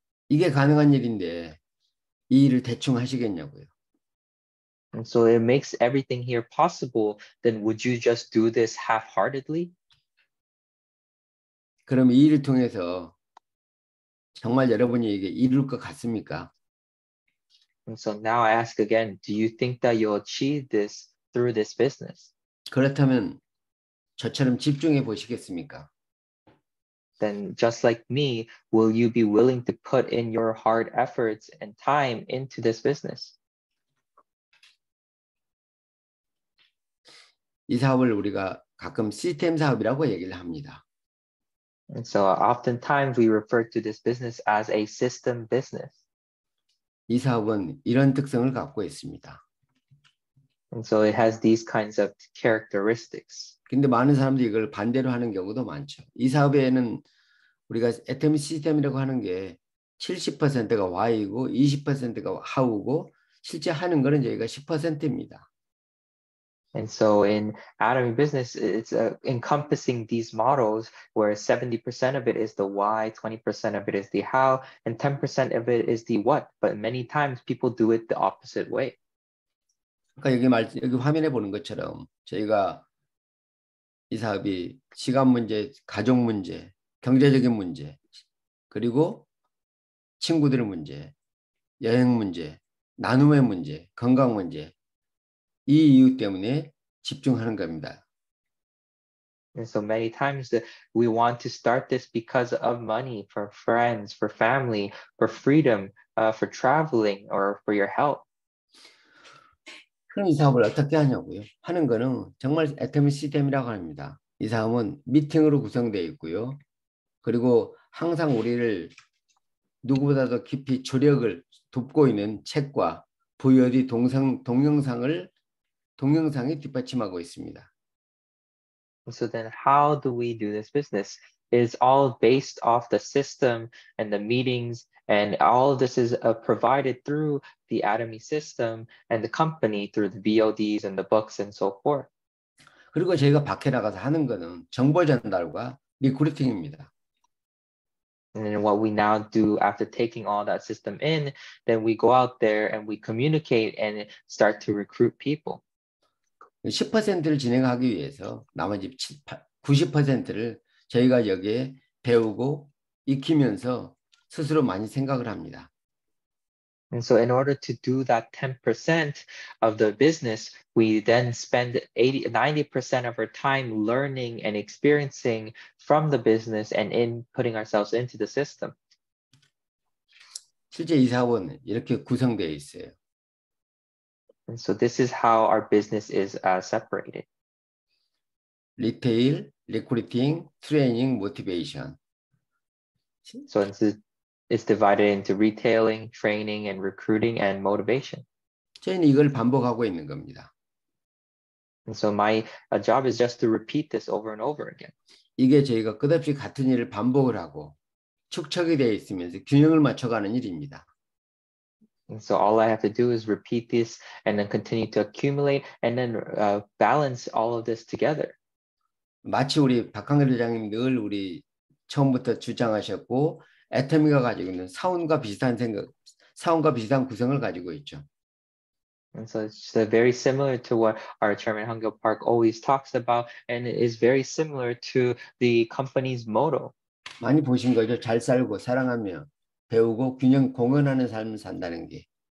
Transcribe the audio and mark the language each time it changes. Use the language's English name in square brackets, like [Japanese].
[Korean] 이게 가능한 일인데 이 일을 대충 하시겠냐고요. [English] And so it makes everything here possible, then would you just do this half-heartedly? [Korean] 그럼 이 일을 통해서 정말 여러분이 이게 이룰 것 같습니까? [English] And so now I ask again, do you think that you'll achieve this through this business? [Korean] 그렇다면 저처럼 집중해 보시겠습니까? [English] Then just like me, will you be willing to put in your hard efforts and time into this business? [Korean] 이 사업을 우리가 가끔 시스템 사업이라고 얘기를 합니다. [English] And so oftentimes we refer to this business as a system business. [Korean] 이 사업은 이런 특성을 갖고 있습니다. [English] And so it has these kinds of characteristics. [Korean] 근데 많은 사람들이 이걸 반대로 하는 경우도 많죠. 이 사업에는 우리가 애터미 시스템이라고 하는 게 70%가 why이고 20%가 how고 실제 하는 거는 저희가 10%입니다. [English] And so in Atomy business, it's encompassing these models where 70% of it is the why, 20% of it is the how, and 10% of it is the what. But many times people do it the opposite way. [Korean] 아까 여기 화면에 보는 것처럼 저희가 이 사업이 시간 문제, 가족 문제, 경제적인 문제, 그리고 친구들 문제, 여행 문제, 나눔의 문제, 건강 문제 이 이유 때문에 집중하는 겁니다. [English] And so many times we want to start this because of money, for friends, for family, for freedom, for traveling, or for your health. [Korean] 그럼 이 사업을 어떻게 하냐고요? 하는 거는 정말 애터미 시스템이라고 합니다. 이 사업은 미팅으로 구성되어 있고요. 그리고 항상 우리를 누구보다도 깊이 조력을 돕고 있는 책과 VOD 동영상이 뒷받침하고 있습니다. [English] So then how do we do this business? It's all based off the system and the meetings, and all this is provided through the Atomy system and the company through the VODs and the books and so forth. [Korean] 그리고 저희가 밖에 나가서 하는 거는 정보 전달과 리크루팅입니다. [English] And what we now do after taking all that system in, then we go out there and we communicate and start to recruit people. [Korean] 10%를 진행하기 위해서 나머지 90%를 저희가 여기에 배우고 익히면서 스스로 많이 생각을 합니다. [English] And so in order to do that 10% of the business, we then spend 90% of our time learning and experiencing from the business and in putting ourselves into the system. [Korean] 실제 이 사업은 이렇게 구성되어 있어요. [English] And so this is how our business is separated. [Korean] 리테일, 리크루팅, 트레이닝, 모티베이션. [English] So it's divided into retailing, training, and recruiting and motivation. [Korean] 저희는 이걸 반복하고 있는 겁니다. [English] And so my job is just to repeat this over and over again. [Korean] 이게 저희가 끝없이 같은 일을 반복을 하고 축적이 되어 있으면서 균형을 맞춰가는 일입니다. [English] And so all I have to do is repeat this and then continue to accumulate and then balance all of this together. [Korean] 마치 우리 박강기 회장님 늘 우리 처음부터 주장하셨고 애터미가 가지고 있는 사원과 비슷한 생각, 사원과 비슷한 구성을 가지고 있죠. [English] And so it's very similar to what our chairman Hangil Park always talks about, and it is very similar to the company's motto. [Korean] 많이 보신 거죠? 잘 살고 사랑하며 배우고 균형 공헌하는 삶을 산다는 게.